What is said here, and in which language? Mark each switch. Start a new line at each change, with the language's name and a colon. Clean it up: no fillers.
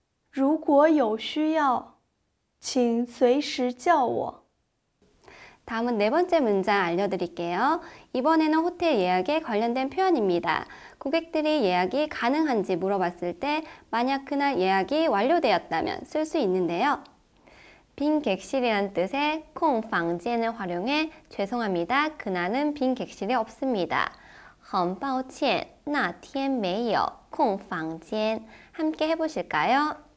Chinese: 如果有需要,请随时叫我
Korean: 다음은 네 번째 문장 알려드릴게요. 이번에는 호텔 예약에 관련된 표현입니다. 고객들이 예약이 가능한지 물어봤을 때 만약 그날 예약이 완료되었다면 쓸 수 있는데요. 빈 객실이란 뜻의 空房间을 활용해 죄송합니다. 그날은 빈 객실이 없습니다.
Chinese: 很抱歉,那天没有空房间
Korean: 함께 해보실까요?